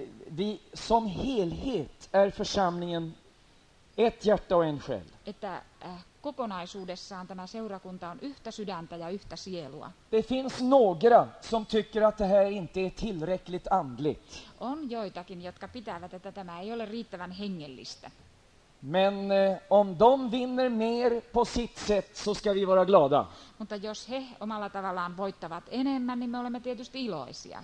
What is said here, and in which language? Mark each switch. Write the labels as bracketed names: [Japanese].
[Swedish] vi som helhet är församlingen ett hjärta och en själ. [Finnish] Että kokonaisuudessaan tämä seurakunta on yhtä sydäntä ja yhtä sielua. [Swedish] Det finns några som tycker att det här inte är tillräckligt andligt. [Finnish] On joitakin, jotka pitävät, että tämä ei ole riittävän hengellistä. [Swedish] Men om de vinner mer på sitt sätt så ska vi vara glada. [Finnish] Mutta jos he omalla tavallaan voittavat enemmän, niin me olemme tietysti iloisia.